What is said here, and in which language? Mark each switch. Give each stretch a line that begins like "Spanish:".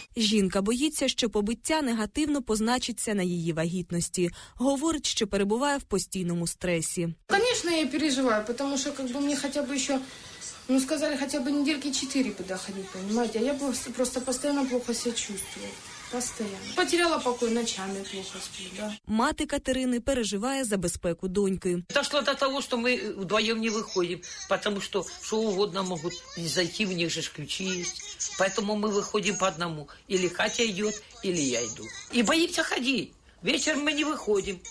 Ukrainian: Жінка боїться, що побиття негативно позначиться на її вагітності. Говорить, що перебуває в постійному стресі. Звісно, я переживаю, тому що как бы, мені хоча б ще, ну сказали, хоча б недельки 4 підходити, розумієте? А я просто постійно
Russian: плохо себе чувствую. Постоянно. Потеряла покой ночами, плохо сплю, да.
Ukrainian: Мати Катерини переживає за безпеку доньки. Дошло до того, що ми вдвоєм не виходимо, тому що що угодно можуть зайти, в них же ж ключі є. Тому ми виходимо по одному. Ілі Катя йде, ілі я йду. І боїться ходити. Вечір ми не виходимо.